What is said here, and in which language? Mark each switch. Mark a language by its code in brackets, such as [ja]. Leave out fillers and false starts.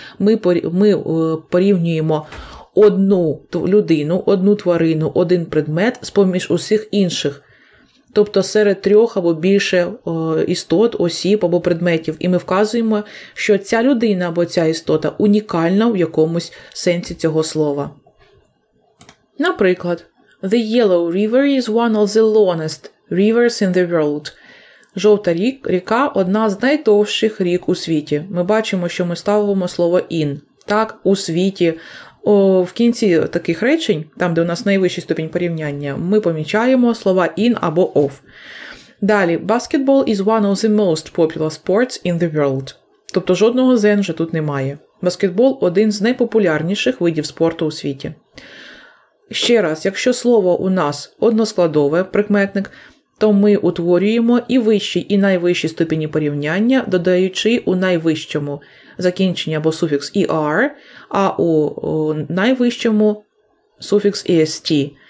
[uk] Ми порівнюємо одну людину, одну тварину, один предмет з-поміж усіх інших. Тобто серед трьох або більше істот, осіб або предметів. І ми вказуємо, що ця людина або ця істота унікальна в якомусь сенсі цього слова. Наприклад. [en] The Yellow River is one of the longest rivers in the world. [uk] Жовта ріка – одна з найдовших рік у світі. Ми бачимо, що ми ставимо слово in. Так, у світі. В кінці таких речень, там, де у нас найвищий ступінь порівняння, ми помічаємо слова in або of. Далі. [en] Basketball is one of the most popular sports in the world. [uk] Тобто жодного зен вже тут немає. Баскетбол – один з найпопулярніших видів спорту у світі. Ще раз, якщо слово у нас односкладове, прикметник, то ми утворюємо і вищий, і найвищий ступені порівняння, додаючи у найвищому закінчення або суфікс «er», а у найвищому суфікс «est».